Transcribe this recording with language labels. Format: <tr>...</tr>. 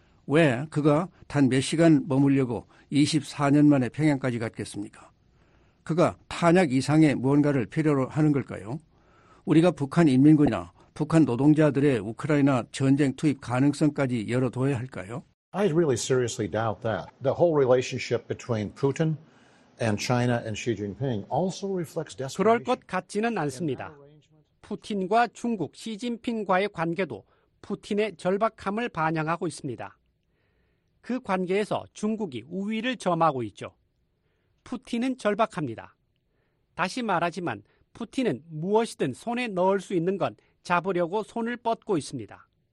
<ko>왜 그가 단 몇 시간 머물려고 24년 만에 평양까지 갔겠습니까? 그가 탄약 이상의 무언가를 필요로 하는 걸까요? 우리가 북한 인민군이나 북한 노동자들의 우크라이나 전쟁 투입 가능성까지 열어둬야 할까요?</ko> <en>I really seriously doubt that. The whole relationship between Putin and China and Xi Jinping also reflects desperation.</en> <ko>그럴 것 같지는 않습니다. 푸틴과 중국, 시진핑과의 관계도 푸틴의 절박함을 반영하고 있습니다. 그 관계에서 중국이 우위를 점하고 있죠. 푸틴은 절박합니다. 다시 말하지만 푸틴은 무엇이든 손에 넣을 수 있는 건 잡으려고 손을 뻗고 있습니다.</ko>